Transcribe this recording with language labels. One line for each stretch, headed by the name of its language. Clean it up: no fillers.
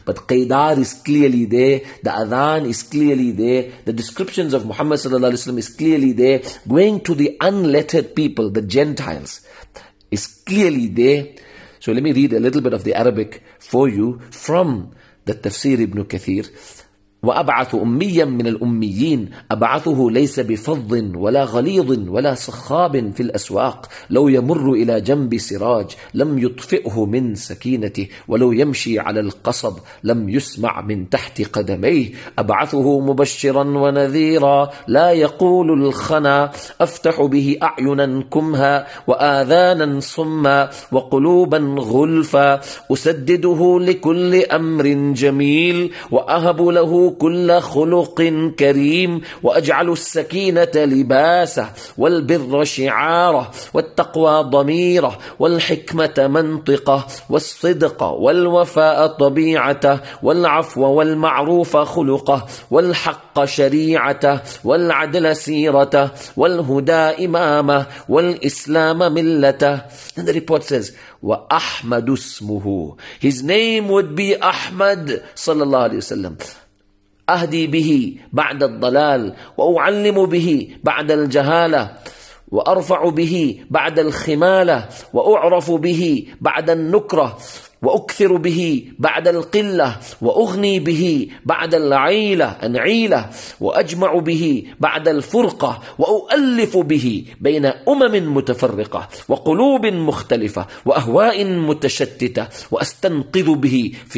English: But Qidar is clearly there, the Adhan is clearly there, the descriptions of Muhammad sallallahu alayhi wa sallam is clearly there, going to the unlettered people, the Gentiles, is clearly there. So let me read a little bit of the Arabic for you from the Tafsir Ibn Kathir.
Arabic: وَأَبْعَثُ أُمِّيًّا مِنَ الْأُمِّيِّينَ أَبْعَثُهُ لَيْسَ بِفَضٍّ وَلَا غَلِيظٍ وَلَا صَخَّابٍ فِي الْأَسْوَاقِ لَوْ يَمُرُّ إِلَى جَنْبِ سِرَاجٍ لَمْ يُطْفِئْهُ مِنْ سَكِينَتِهِ وَلَوْ يَمْشِي عَلَى الْقَصَبِ لَمْ يُسْمَعْ مِنْ تَحْتِ قَدَمَيْهِ أَبْعَثُهُ مُبَشِّرًا وَنَذِيرًا لَا يَقُولُ الْخَنَا أَفْتَحُ بِهِ أَعْيُنًا كُمْهَا وَآذَانًا صُمًّا وَقُلُوبًا غُلْفًا أُسَدِّدُهُ لِكُلِّ أَمْرٍ جَمِيلٍ وَأَهَبُ لَهُ كل خلق كريم وأجعل السكينة لباسه والبر شعاره والتقوى ضميره والحكمة منطقه والصدق والوفاء طبيعته والعفو والمعروف خلقه والحق شريعته والعدل سيرته والهدى إمامه والإسلام ملته.
English: And the report says وأحمد اسمه. His name would be أحمد صلى الله عليه وسلم.
Arabic: أهدي به بعد الضلال وأعلم به بعد الجهالة وأرفع به بعد الخمالة وأعرف به بعد النكرة وأكثر به بعد القلة وأغني به بعد العيلة أنعيلة وأجمع به بعد الفرقة وأؤلف به بين أمم متفرقة وقلوب مختلفة وأهواء متشتتة وأستنقذ به